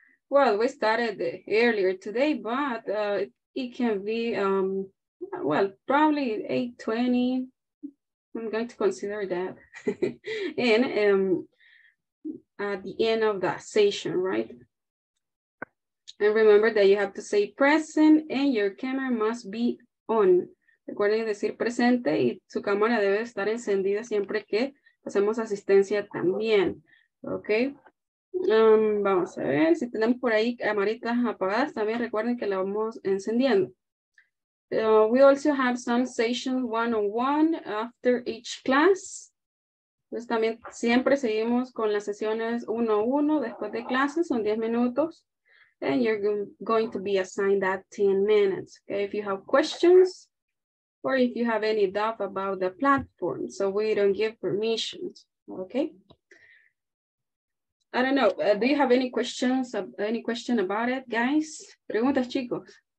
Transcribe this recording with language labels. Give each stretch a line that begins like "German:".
English: Well, we started earlier today, but it can be, well, probably 8:20. I'm going to consider that. And at the end of that session, right? And remember that you have to say present and your camera must be on.
Spanish: Recuerden decir presente y su cámara debe estar encendida siempre que hacemos asistencia también. Ok. Vamos a ver si tenemos por ahí camaritas apagadas. También recuerden que la vamos encendiendo.
English: We also have some sessions one-on-one after each class.
Spanish: Entonces también siempre seguimos con las sesiones uno-a-uno después de clases. Son 10 minutos.
English: And you're going to be assigned that 10 minutes. Okay, if you have questions or if you have any doubt about the platform, so we don't give permissions, okay? I don't know, do you have any questions, any question about it, guys?
Spanish: Preguntas, chicos.